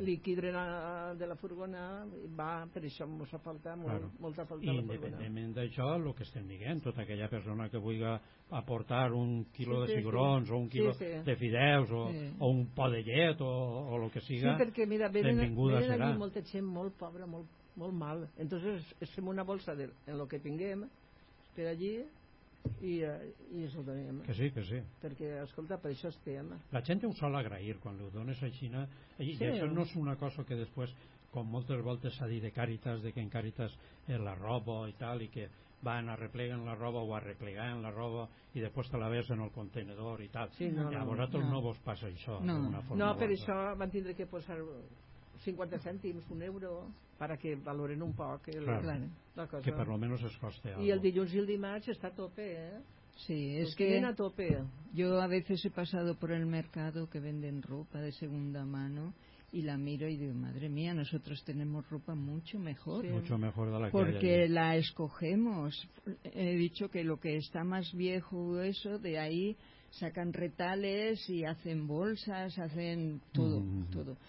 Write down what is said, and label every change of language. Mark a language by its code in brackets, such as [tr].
[ca] L'equidren de la furgona, va, per això ens ha faltat molt, claro. Molta falta. I independentment d'això, el que estem dient, tota aquella persona que vulgui aportar un quilo de cigrons o un quilo de fideus o un po de llet o el que siga, sí, perquè, mira, benvinguda serà. Venen aquí molta gent molt pobra, molt, molt mal. Entonces, fem una bolsa de, en el que tinguem per allí... I això ho donem. Que sí. Perquè, escolta, per això estem. La gent ho sol agrair quan ho dones a Xina. I sí. Això no és una cosa que després, com moltes voltes s'ha dit de Càritas, de que en Càritas la roba i tal, i que van arrepleguen la roba o arrepleguen la roba i després te la ves en el contenedor i tal. Sí, no, i a vosaltres no vos passa això. No, per això van tindre que posar... 50 cèntims, un euro, perquè valoren un poc la cosa. Que per lo menos es coste algo. I el dilluns i el dimarts està a tope, eh? Sí, és que a tope. [es] Yo a veces he pasado por el mercado que venden ropa de segunda mano y la miro y digo, madre mía, nosotros tenemos ropa mucho mejor. Sí. Mucho mejor de la que porque la escogemos. He dicho que lo que está más viejo eso, de ahí sacan retales y hacen bolsas, hacen todo, todo.